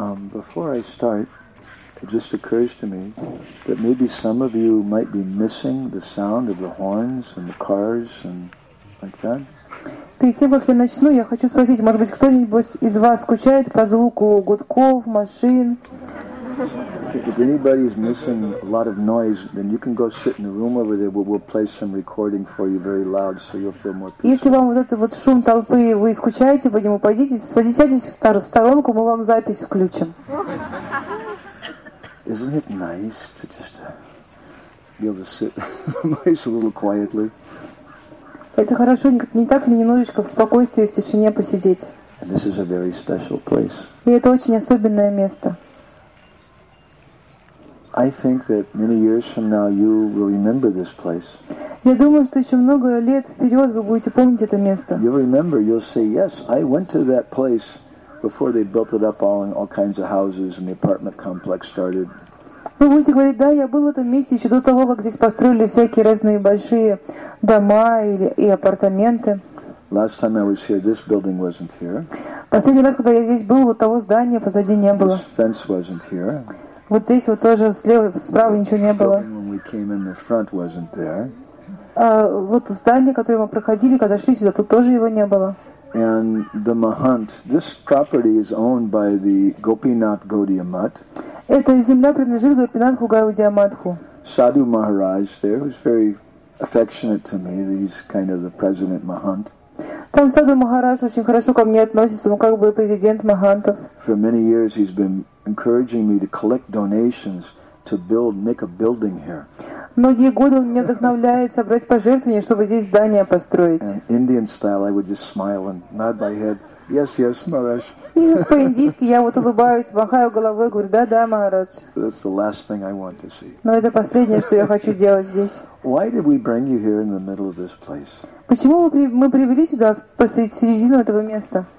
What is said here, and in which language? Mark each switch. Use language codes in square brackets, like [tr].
[en] Before I start, it just occurs to me that maybe some of you might be missing the sound of the horns and the cars and like that. [ru] Перед тем, как я начну, я хочу спросить, может быть, кто-нибудь из вас скучает по звуку гудков, машин? [en] If anybody's missing a lot of noise, then you can go sit in the room over there. We'll play some recording for you very loud, so you'll feel more peaceful. [ru] Если вам вот этот вот шум толпы, вы скучаете, по нему пойдите, садитесь в вторую сторонку, мы вам запись включим. [en] Isn't it nice to just be able to sit in the place a little quietly? [ru] Это хорошо, не так ли, немножечко в спокойствии, в тишине посидеть? [en] This is a very special place. [ru] И это очень особенное место. [en] I think that many years from now you will remember this place. [ru] Я думаю, что еще много лет вперед вы будете помнить это место. [en] You'll remember, you'll say, yes, I went to that place before they built it up all kinds of houses and the apartment complex started. [ru] Вы будете говорить, да, я был в этом месте еще до того, как здесь построили всякие разные большие дома и апартаменты. [en] Last time I was here, this building wasn't here. [ru] Последний раз, когда я здесь был, вот того здания позади не было. [en] This fence wasn't here. [ru] Вот здесь вот тоже слева, справа ничего не было. [en] When we came in, the front wasn't there. [ru] Вот здание, которое мы проходили, когда шли сюда, тут тоже его не было. [en] And the Mahant, this property is owned by the Gopinath Gaudiya Math. [ru] Эта земля принадлежит Гопинатху Гаудия Матху. [en] Sadhu Maharaj there was very affectionate to me. He's kind of the president Mahant. [ru] Там Саду Махарадж очень хорошо ко мне относится, он как бы президент Махантов. [en] For many years he's been encouraging me to collect donations to build, make a building here. [ru] Многие годы он меня вдохновляет собрать пожертвования, чтобы здесь здание построить. [en] Indian style, I would just smile and nod my head. Yes, yes, Maharaj. [ru] И по-индийски я вот улыбаюсь, махаю головой, говорю, да, да, Махарадж. [en] That's the last thing I want to see. [ru] Но это последнее, что я хочу делать здесь. [en] Why did we bring you here in the middle of this place? [ru] Почему мы привели сюда посреди середину этого места?